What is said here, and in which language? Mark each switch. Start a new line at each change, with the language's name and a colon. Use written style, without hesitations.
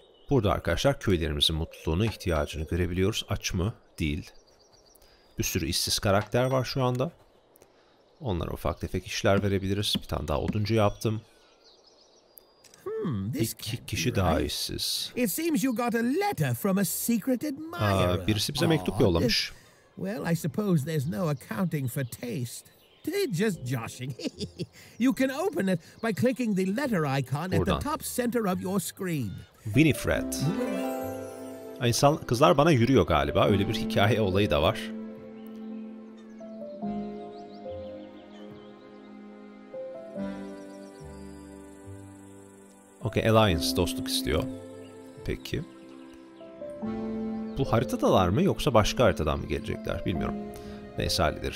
Turkish: Burada arkadaşlar köylerimizin mutluluğunu, ihtiyacını görebiliyoruz. Aç mı? Değil. Bir sürü işsiz karakter var şu anda. Onlara ufak tefek işler verebiliriz. Bir tane daha oduncu yaptım. İki kişi daha işsiz.
English: It seems you got a letter from a secret admirer.
Turkish: Birisi bize mektup yollamış.
English: Well, I suppose there's no accounting for taste. They're just joshing. You can open it by clicking the letter icon at the top center of your screen. Winifred.
Turkish: İnsan kızlar bana yürüyor galiba. Öyle bir hikaye olayı da var. Okay, Alliance dostluk istiyor. Peki. Bu haritadalar mı yoksa başka haritadan mı gelecekler bilmiyorum. Neyse hallederiz.